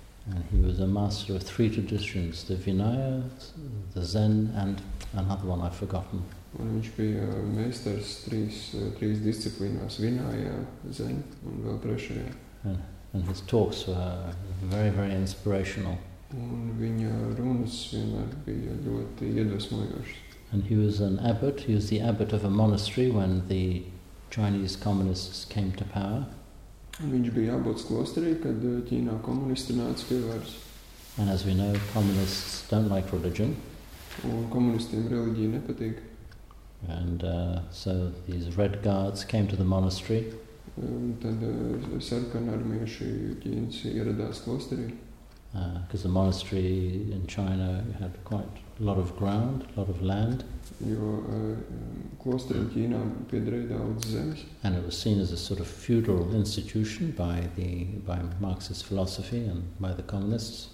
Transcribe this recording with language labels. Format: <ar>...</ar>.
<en>And he was a master of three traditions, the Vinaya, the Zen, and another one I've forgotten.</en> <lv>Un viņš bija meistars trīs disciplīnās, Vinaya, Zen, un vēl trešajā.</lv> <en>And his talks were very, very inspirational.</en> <lv>Un viņa runas vienmēr bija ļoti iedvesmojošas.</lv> <en>And he was an abbot. He was the abbot of a monastery when the Chinese communists came to power.</en> <lv>Un viņš bija abots klosterī, kad Ķīnā komunisti nāca pie varas.</lv> <en>And as we know, communists don't like religion.</en> <lv>Un komunistiem reliģija nepatīk.</lv> <en>And so these red guards came to the monastery.</en> <lv>Tad sarkana armieši Ķīnas ieradās klosterī.</lv> <en>Because the monastery in China had quite a lot of ground, a lot of land.</en> <lv>Jo klosteri Ķīnā piederēja daudz zemes.</lv> <en>And it was seen as a sort of feudal institution by Marxist philosophy and by the communists.</en>